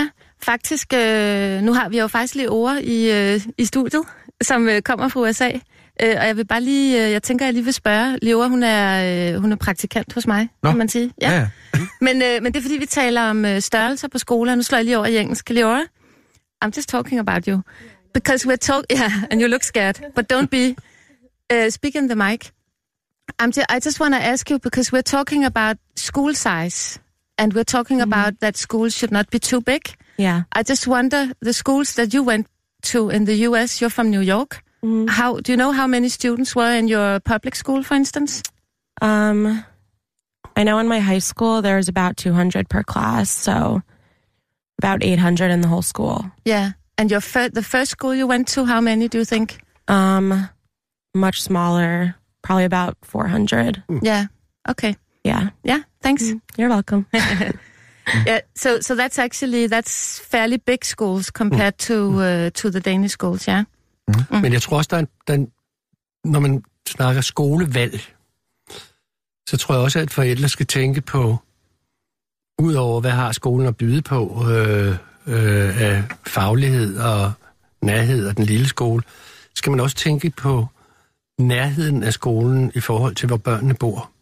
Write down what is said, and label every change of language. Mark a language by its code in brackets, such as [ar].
[da] Ja, faktisk. Nu har vi jo faktisk lige Ore i studiet, som kommer fra USA. Og jeg vil bare lige, jeg tænker, jeg lige vil spørge. Leora, hun er praktikant hos mig, nå, kan man sige. Ja. Men det er, fordi vi taler om størrelser på skoler. Nu slår jeg lige over i engelsk. [en] Leora, I'm just talking about you. Because we're talking, yeah, and you look scared. But don't be. Speak in the mic. I just want to ask you, because we're talking about school size. And we're talking about that schools should not be too big. Yeah. I just wonder, the schools that you went to in the U.S., you're from New York. Mm. How do you know how many students were in your public school, for instance? I know in my high school there's about 200 per class, so about 800 in the whole school. Yeah. And the first school you went to, how many do you think? Much smaller, probably about 400. Mm. Yeah. Okay. Yeah. Yeah. Thanks. Mm. You're welcome. Yeah. So that's fairly big schools compared to the Danish schools. Yeah. Mm. [da] Men jeg tror også, når man snakker skolevalg, så tror jeg også, at forældre skal tænke på, ud over hvad har skolen at byde på af faglighed og nærhed og den lille skole, skal man også tænke på nærheden af skolen i forhold til, hvor børnene bor.